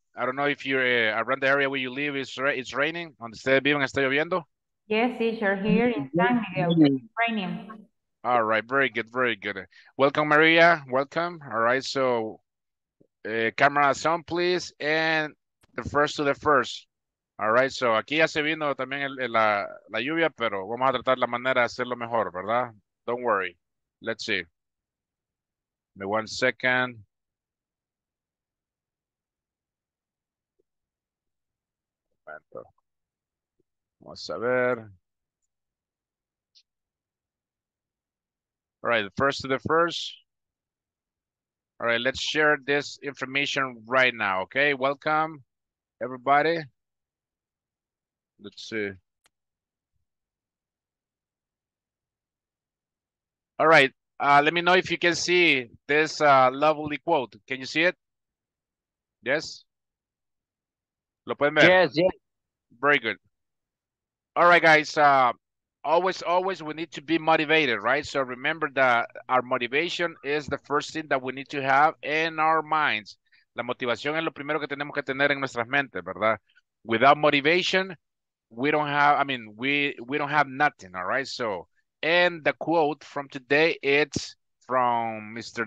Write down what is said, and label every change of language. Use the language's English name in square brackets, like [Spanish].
[English] I don't know if you're around the area where you live, it's raining. [Spanish] ¿Dónde está viviendo? ¿Está lloviendo? [English] Yes, teacher, here in San Miguel, raining. All right, very good, very good. Welcome, Maria. Welcome. All right, so camera sound, please, and the first to the first. All right, so [Spanish] aquí ya se vino también la lluvia, pero vamos a tratar la manera de hacerlo mejor, ¿verdad? [English] Don't worry. Let's see. Give me 1 second. [Spanish] Vamos a ver. [English] All right, first to the first. All right, let's share this information right now, okay? Welcome, everybody. Let's see. All right, let me know if you can see this lovely quote. Can you see it? Yes? [Spanish] Lo pueden ver. [English] Yes. Very good. All right, guys. Always, we need to be motivated, right? So remember that our motivation is the first thing that we need to have in our minds. [Spanish] La motivación es lo primero que tenemos que tener en nuestras mentes, ¿verdad? [English] Without motivation, we don't have, I mean, we don't have nothing, all right? So, and the quote from today, it's from Mr.